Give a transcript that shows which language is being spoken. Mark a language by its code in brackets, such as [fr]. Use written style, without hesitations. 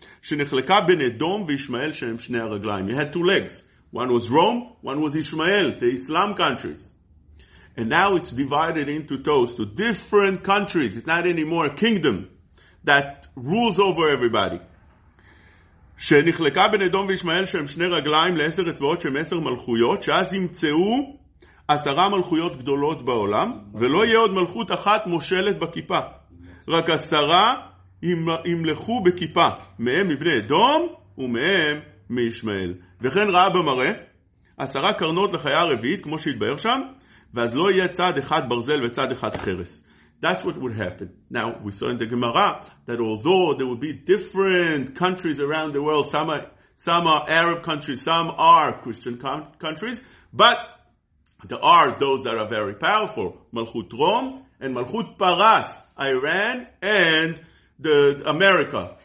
[he] Shenechleka ben Edom v'Ishmael shem shnei ha-raglaim. [en] You had two legs. One was Rome, one was Ishmael, the Islam countries. And now it's divided into toes, to different countries. It's not anymore a kingdom that rules over everybody. [he] שנחלקה בין אדום וישמעאל שהם שני רגליים לעשר אצבעות שהם עשר מלכויות, שאז ימצאו עשרה מלכויות גדולות בעולם, ולא יהיה עוד מלכות אחת מושלת בכיפה. רק עשרה ימלכו בכיפה, מהם מבני אדום ומהם מישמעאל. וכן ראה במראה, עשרה קרנות לחיה הרביעית, כמו שהתבהר שם, ואז לא יהיה צד אחד ברזל וצד אחד חרס. [en] That's what would happen. Now, we saw in the Gemara that although there would be different countries around the world, some are Arab countries, some are Christian countries, but there are those that are very powerful. Malchut Rom and Malchut Paras, Iran and the America.